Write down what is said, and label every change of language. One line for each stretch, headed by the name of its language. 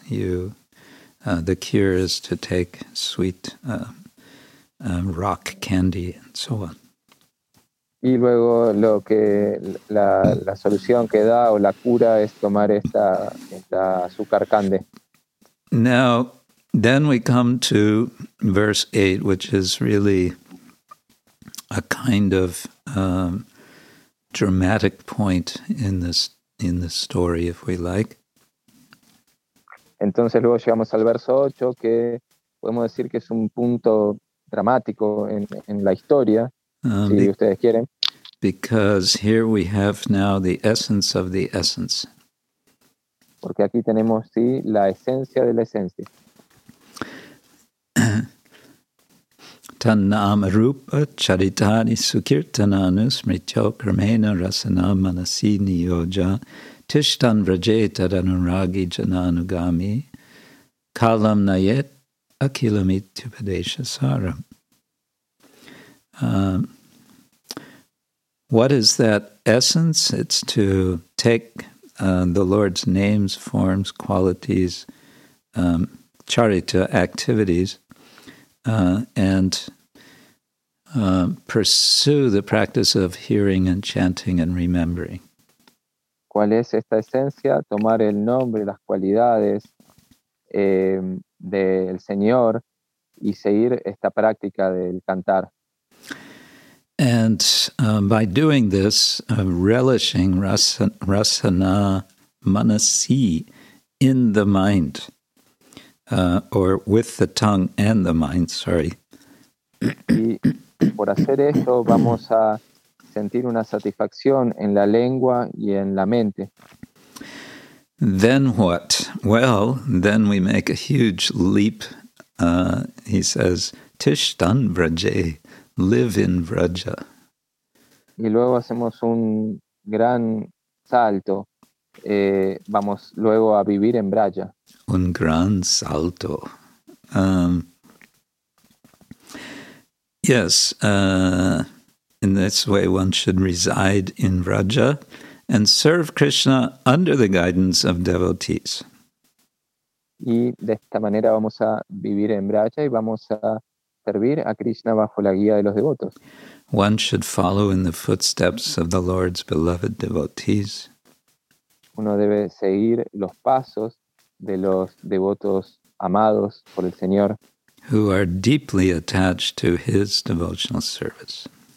English: The cure is to take sweet rock candy and so on.
Spanish: Y luego lo que la solución que da o la cura es tomar esta azúcar candy.
English: Now, then we come to verse 8, which is really a kind of dramatic point in this story, if we like.
Spanish: Entonces luego llegamos al verso 8, que podemos decir que es un punto dramático en la historia, si ustedes quieren.
English: Because here we have now the essence of the essence.
Spanish: Porque aquí tenemos, sí, la esencia de la esencia.
Sanskrit: Tannama rupa charitani sukirtananu smrityo karmena rasana manasi niyoja tishtan vrajeta danuragi jananugami kalam nayet akilamityupadesha saram.
English: What is that essence? It's to take the Lord's names, forms, qualities, charita, activities, pursue the practice of hearing and chanting and remembering.
Spanish: ¿Cuál es esta esencia? Tomar el nombre, las cualidades del Señor y seguir esta práctica del cantar.
English: And by doing this, relishing
Sanskrit: rasana manasi
English: in the mind, or with the tongue and the mind, sorry.
Spanish: Y por hacer eso vamos a sentir una satisfacción en la lengua y en la mente.
English: Then what? Well, then we make a huge leap. He says,
Sanskrit: tishtan vraje,
English: live in vraja.
Spanish: Y luego hacemos un gran salto. Vamos luego a vivir en vraja. Un gran salto.
English: In this way one should reside in Vraja and serve Krishna under the guidance of devotees.
Spanish: Y de esta manera vamos a vivir en Vraja y vamos a servir a Krishna bajo la guía de los devotos.
English: One should follow in the footsteps of the Lord's beloved devotees.
Spanish: Uno debe seguir los pasos de los devotos amados por el Señor.
English: Who are deeply attached to his devotional service.